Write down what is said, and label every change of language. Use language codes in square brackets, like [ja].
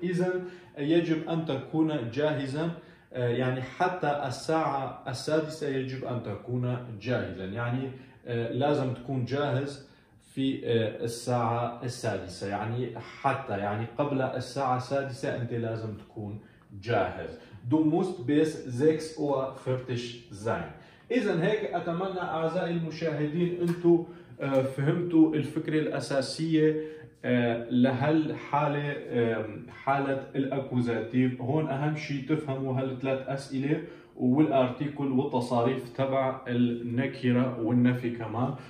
[ar] إذن يجب أن تكون جاهزا يعني حتى الساعة السادسة يجب أن تكون جاهزا يعني لازم تكون جاهز في الساعة السادسة يعني حتى يعني قبل الساعة السادسة أنت لازم تكون جاهز. [de] Du musst bis 6 Uhr fertig sein. [ar] إذن هيك أتمنى أعزائي المشاهدين أنتوا فهمتوا الفكرة الأساسية لهالحالة حالة الأكوزاتيف. هون أهم شيء تفهموا هالثلاث أسئلة والارتيكل والتصاريف تبع النكرة والنفي كمان.